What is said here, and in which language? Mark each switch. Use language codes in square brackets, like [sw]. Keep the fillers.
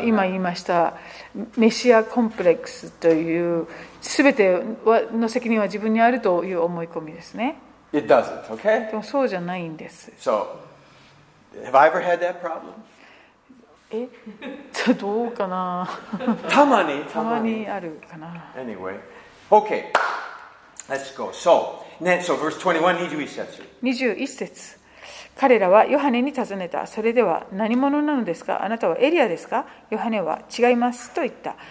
[ja] 今言いましたメシアコンプレックスというすべての責任は自分にあるという思い込みですね。 [en] It doesn't, okay? [ja] でもそうじゃないんです。 [en] So, have I ever had that problem? [ja] えじゃ どうかなたまにたまにあるかな [en] a n y okay, let's go. So, verse 21, 21節。 [ja] 21節。彼らはヨハネに尋ねた。それでは何者なのですかあなたはエリアですかヨハネは違いますと言った。